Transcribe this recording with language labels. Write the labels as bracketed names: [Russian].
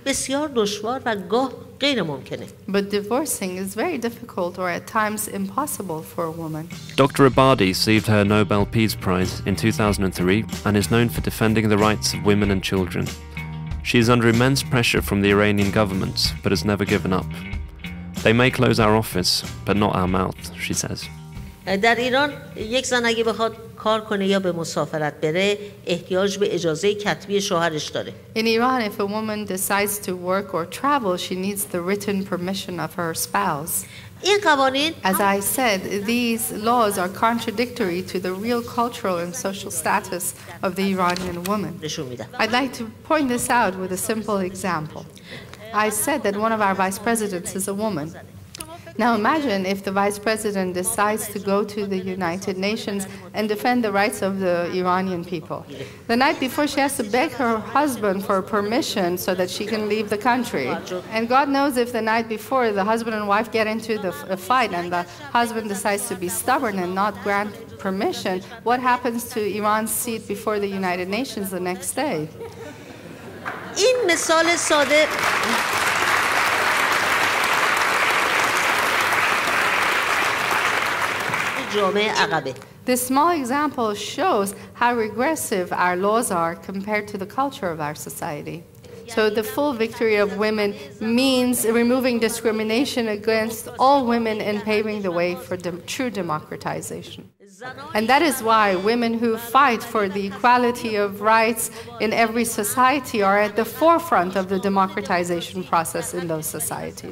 [English] But divorcing is very difficult or at times impossible for a woman. Dr. Ebadi received her Nobel Peace Prize in 2003 and is known for defending the rights of women and children. She is under immense pressure from the Iranian government, but has never given up. They may close our office, but not our mouth, she says. [Persian] در ایران یک زن اگه بخواد کار کنه یا به مسافرت بره، احتیاج به اجازه کتبی شوهرش داره. [English] In Iran, if a woman decides to work or travel, she needs the written permission of her spouse. As I said, these laws are contradictory to the real cultural and social status of the Iranian woman. I'd like to point this out with a simple example. I said that one of our vice presidents is a woman. Now imagine if the vice president decides to go to the United Nations and defend the rights of the Iranian people. The night before, she has to beg her husband for permission so that she can leave the country. And God knows if the night before the husband and wife get into a fight and the husband decides to be stubborn and not grant permission, what happens to Iran's seat before the United Nations the next day? [Persian] این مثال ساده جامعه عقبه. [English] This small example shows how regressive our laws are compared to the culture of our society. So the full victory of women means removing discrimination against all women and paving the way for true democratization. And that is why women who fight for the equality of rights in every society are at the forefront of the democratization process in those societies.